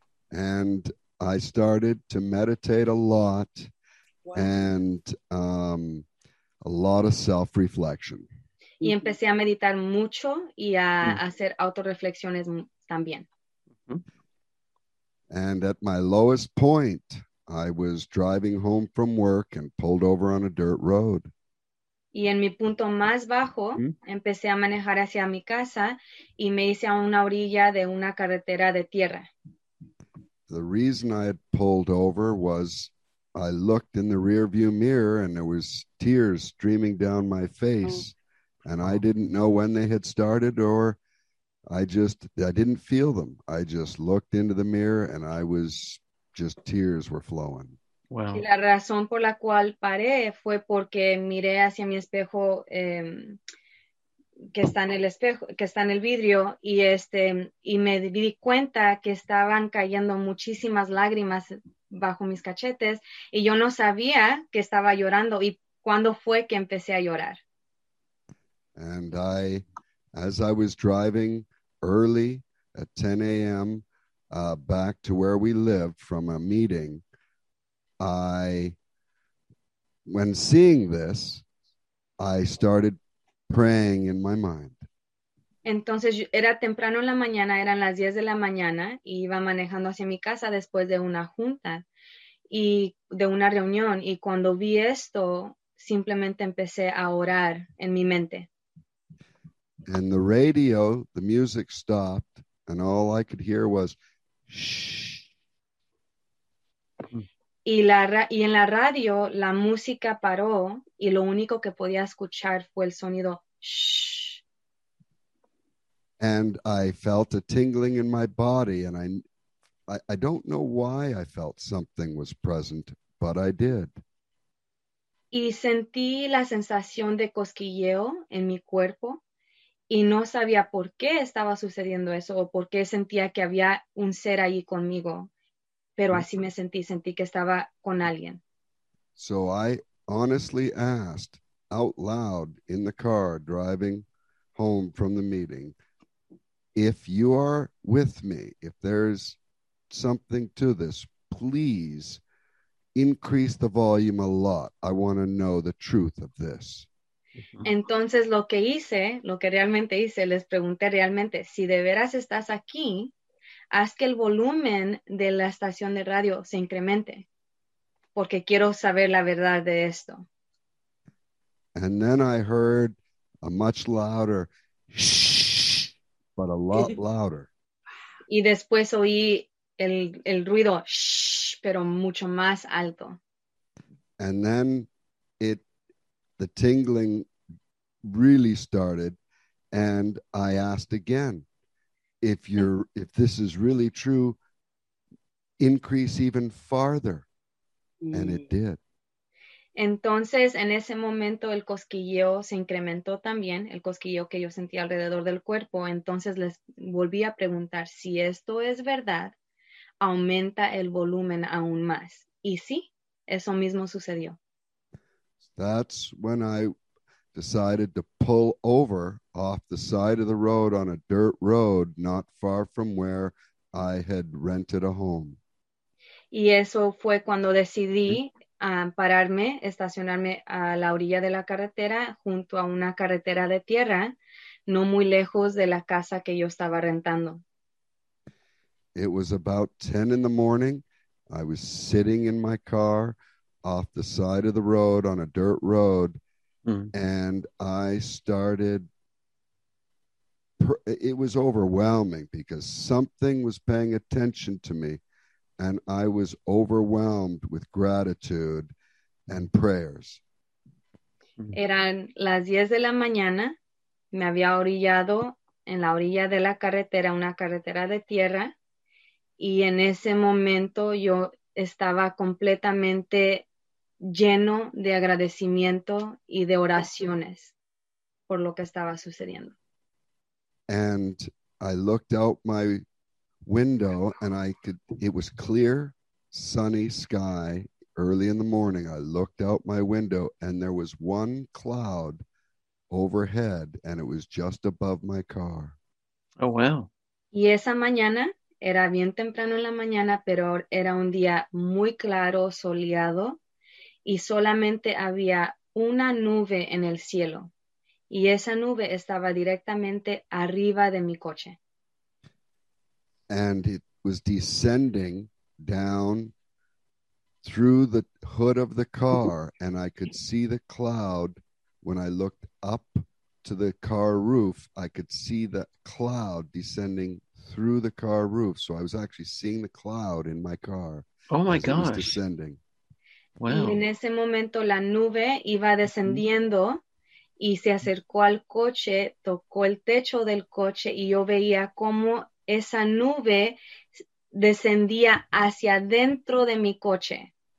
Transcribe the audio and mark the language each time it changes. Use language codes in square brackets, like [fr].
[en] And I started to meditate a lot. Wow. And a lot of self-reflection. [es] Y empecé a meditar mucho y a hacer autorreflexiones también. [en] And at my lowest point, I was driving home from work and pulled over on a dirt road. [es] Y en mi punto más bajo, empecé a manejar hacia mi casa y me hice a una orilla de una carretera de tierra. [en] The reason I had pulled over was I looked in the rearview mirror and there was tears streaming down my face. And I didn't know when they had started, or I didn't feel them. I just looked into the mirror and I was just tears were flowing. Wow. [es] Y la razón por la cual paré fue porque miré hacia mi espejo, que está en el vidrio, y me di cuenta que estaban cayendo muchísimas lágrimas bajo mis cachetes, y yo no sabía que estaba llorando, y cuándo fue que empecé a llorar. [en] And I, as I was driving early at 10 a.m. Back to where we lived from a meeting, when seeing this, I started praying in my mind. [es] Entonces, era temprano en la mañana, eran las 10 de la mañana, y iba manejando hacia mi casa después de una junta y de una reunión. Y cuando vi esto, simplemente empecé a orar en mi mente. [en] And the radio, the music stopped, and all I could hear was, shh. [es] y en la radio la música paró y lo único que podía escuchar fue el sonido shh. [en] And I felt a tingling in my body, and I don't know why I felt something was present, but I did. [es] Y sentí la sensación de cosquilleo en mi cuerpo y no sabía por qué estaba sucediendo eso o por qué sentía que había un ser ahí conmigo. Pero así me sentí, sentí que estaba con alguien. [en] So I honestly asked out loud in the car driving home from the meeting, if you are with me, if there's something to this, please increase the volume a lot. I want to know the truth of this. [es] Entonces lo que hice, lo que realmente hice, les pregunté realmente, si de veras estás aquí, haz que el volumen de la estación de radio se incremente, porque quiero saber la verdad de esto. [en] And then I heard a much louder shh, but a lot louder. [es] Y después oí el ruido shh, pero mucho más alto. [en] And then the tingling really started, and I asked again, if this is really true, increase even farther. And it did. [es] Entonces, en ese momento, el cosquilleo se incrementó también, el cosquilleo que yo sentía alrededor del cuerpo. Entonces, les volví a preguntar, si esto es verdad, aumenta el volumen aún más. Y sí, eso mismo sucedió. [en] That's when I decided to pull over off the side of the road on a dirt road not far from where I had rented a home. [es] Y eso fue cuando decidí pararme, estacionarme a la orilla de la carretera junto a una carretera de tierra, no muy lejos de la casa que yo estaba rentando. [en] It was about 10 in the morning. I was sitting in my car off the side of the road on a dirt road. And I started, it was overwhelming because something was paying attention to me, and I was overwhelmed with gratitude and prayers. [es] Eran las 10 de la mañana, me había orillado en la orilla de la carretera, una carretera de tierra, y en ese momento yo estaba completamente lleno de agradecimiento y de oraciones por lo que estaba sucediendo. [en] And I looked out my window and it was clear, sunny sky early in the morning. I looked out my window and there was one cloud overhead and it was just above my car. Oh, wow. [es] Y esa mañana era bien temprano en la mañana, pero era un día muy claro, soleado. Y solamente había una nube en el cielo. Y esa nube estaba directamente arriba de mi coche. [en] And it was descending down through the hood of the car. And I could see the cloud. When I looked up to the car roof, I could see the cloud descending through the car roof. So I was actually seeing the cloud in my car. Oh my gosh. It was descending. Wow. [es] Y en ese momento la nube iba descendiendo y se acercó al coche, tocó el techo del coche y yo veía cómo esa nube descendía hacia dentro de mi coche.